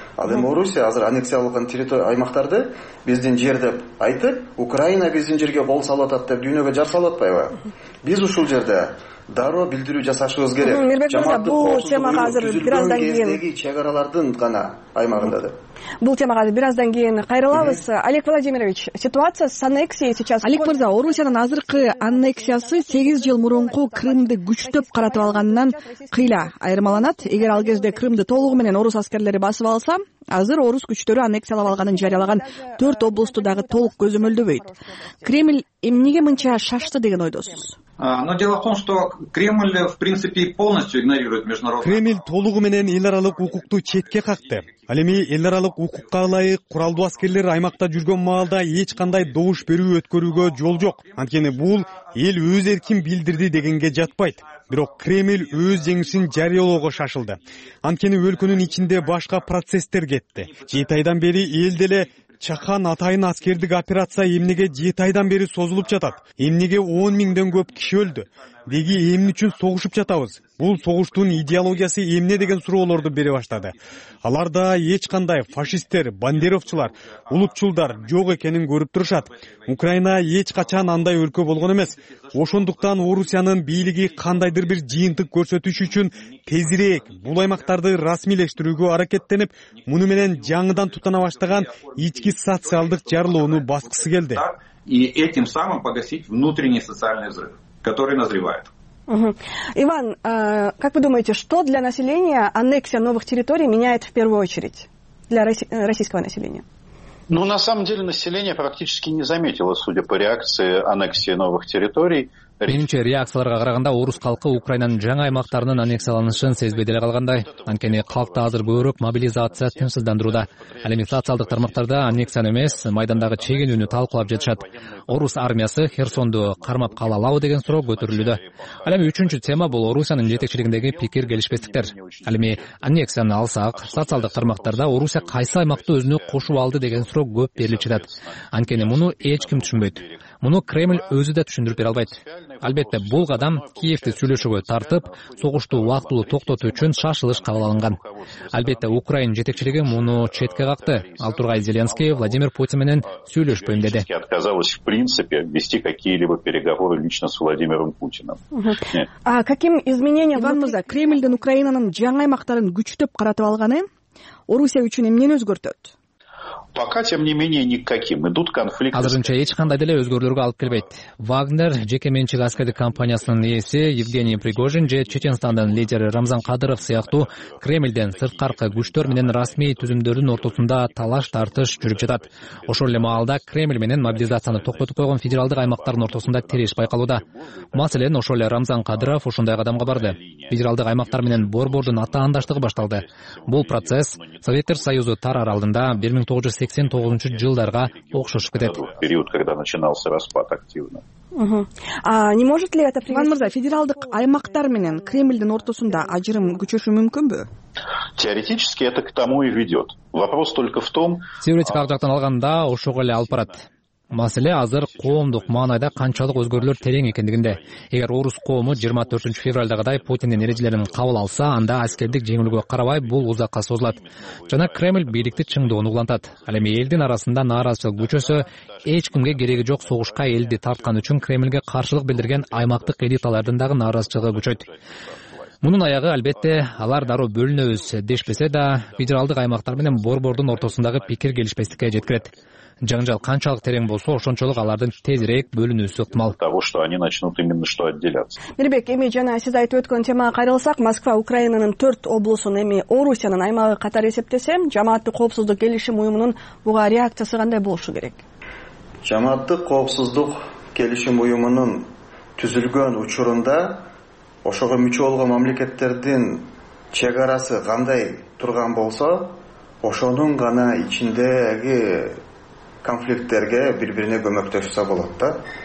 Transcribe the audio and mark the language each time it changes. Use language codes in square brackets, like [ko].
[ky] Ал эми Орусия азыр аннексиялаган аймактарды биздин жер деп айтып, Украина биздин жерге кол салып атат деп дүйнөгө жар салып атпайбы? Биз ушул жерде дароо билдирүү жасашыбыз керек. Мирбек мырза, бул темага азыр бир аздан кийин чек аралардын гана аймагында да. Бул темага азыр бир аздан кийин кайрылабыз. [ru] Олег Владимирович, ситуация с аннексией сейчас. [ky] Олег мырза, Орусиянын азыркы аннексиясы 8 жыл мурунку Крымды күчтөп каратып алгандан кыйла айырмаланат. Эгер ал кезде Крымды толугу менен орус аскерлери басып алса, азыр орус күчтөрү аннексиялап алганын жарыялаган 4 облусту дагы толук көзөмөлдөбөйт. Кремль эмнеге мынча шашты деген ойдосуз? [ru] Но дело в том, что Кремль в принципе полностью игнорирует международный. [ky] Кремль толугу менен эл аралык укукту четке какты. Ал эми эл аралык укукка ылайык куралдуу аскерлер аймакта жүргөн маалда эч кандай добуш берүү өткөрүүгө жол жок. Анткени бул эл өз эркин билдирди дегенге жатпайт. Бирок Кремль өз жеңишин жарыялоого шашылды. Анткени өлкөнүн ичинде башка процесстер кетти. 7 айдан бери эл деле Чакан атайын аскердик операция эмнеге 7 айдан бери созулуп жатат? Эмнеге 10 миңден көп киши өлдү? Деги эмне үчүн согушуп жатабыз? Бул согуштун идеологиясы эмне деген суроолорду бере баштады. Алар да эч кандай фашисттер, бандеровчулар, улутчулдар жок экенин көрүп турушат. Украина эч качан андай өлкө болгон эмес. Ошондуктан Орусиянын бийлиги кандайдыр бир жыйынтык көрсөтүш үчүн тезирээк бул аймактарды расмийлештирүүгө аракеттенип, муну менен жаңыдан тутана баштаган ички социалдык жарылууну баскысы келди. [ru] И этим самым погасить внутренний социальный взрыв, который назревает. Иван, как вы думаете, что для населения аннексия новых территорий меняет в первую очередь для российского населения? Ну, на самом деле, население практически не заметило, судя по реакции, аннексии новых территорий. [ky] Менимче реакцияларга караганда орус калкы Украинанын жаңы аймактарынын аннексиялынышын сезбедели калгандай, анткени калкта азыр көбүрөөк мобилизация тынчсыздандырууда. Ал эми социалдык тармактарда аннексия эмес, майдандагы чегинүүнү талкуулап жатышат. Орус армиясы Херсонду кармап кала алабы деген суроо көтөрүлүүдө. Ал эми үчүнчү тема бул Орусиянын жетекчилигиндеги пикир келишпестиктер. Ал эми аннексияны алсак, социалдык тармактарда Орусия кайсы аймакты өзүнө кошуп алды деген суроо көп берилип жатат. Анткени муну эч ким түшүнбөйт. Муну Кремль өзү да түшүндүрүп бере албайт. Албетте, бул кадам Киевти сүйлөшүүгө тартып, согушту убактылуу токтотуу үчүн шашылыш кабыл алынган. Албетте, Украина жетекчилиги муну четке какты. Ал тургай Зеленский Владимир Путин менен сүйлөшпөйм деди. [ru] Отказалась в принципе вести какие-либо переговоры лично с Владимиром Путиным. А каким изменениям [ky] Иван Муза Кремлден Украинанын жаңы аймактарын күчтөп каратып алганы Орусия үчүн эмнени өзгөртөт? [ru] Пока, тем не менее, никаким. Идут конфликты. [ky] Азырынча эч кандай деле өзгөрүүлөргө алып келбейт. Вагнер жеке менчик аскердик компаниясынын ээси Евгений Пригожин же Чечинстандын лидери Рамзан Кадыров сыяктуу Кремлден сырткаркы күчтөр менен расмий түзүмдөрдүн ортосунда талаш тартыш жүрүп жатат. Ошол эле маалда Кремль менен мобилизацияны токтотуп койгон федералдык аймактардын ортосунда териш байкалууда. Маселен, ошол эле Рамзан Кадыров ушундай кадамга барды. Федералдык аймактар менен борбордун атаандаштыгы башталды. Бул процесс Советтер Союзу тарар алдында 1989 жылдарга окшошуп кетет. [ru] Период, когда начинался распад активно. А не может ли это [ky] Иван Мырза, федералдык аймактар менен Кремлдин ортосунда ажырым күчөшү мүмкүнбү? [ru] Теоретически это к тому и ведет. Вопрос только в том, [ky] теоретик ар жактан алганда ошого эле алып барат. Маселе азыр коомдук маанайда канчалык өзгөрүүлөр терең экендигинде. Эгер орус коому 24 февралдагыдай Путиндин эрежелерин кабыл алса, анда аскердик жеңилүүгө карабай бул узакка созулат. Жана Кремль бийликти чыңдоону улантат. Ал эми элдин арасында нааразычылык күчөсө, эч кимге кереги жок согушка элди тарткан үчүн Кремлге каршылык билдирген аймактык элиталардын дагы нааразычылыгы күчөйт. Мунун аягы албетте алар дароо бөлүнөбүз дешпесе да, федералдык аймактар менен борбордун ортосундагы пикир келишпестикке жеткирет. Жаңжал канчалык терең болсо, ошончолук алардын тезирээк бөлүнүүсү ыктымал. [ru] Того, что они начнут именно что отделяться. [ky] Мирбек, эми жана сиз айтып өткөн темага кайрылсак, Москва Украинанын 4 облусун эми Орусиянын аймагы катары эсептесем, жамааттык коопсуздук келишим уюмунун буга реакциясы кандай болушу керек? Жамааттык коопсуздук келишим уюмунун түзүлгөн учурунда ошого мүчө болгон мамлекеттердин чек арасы кандай турган болсо, ошонун гана ичиндеги конфликттерге бири бирине көмөктөшсө болот да.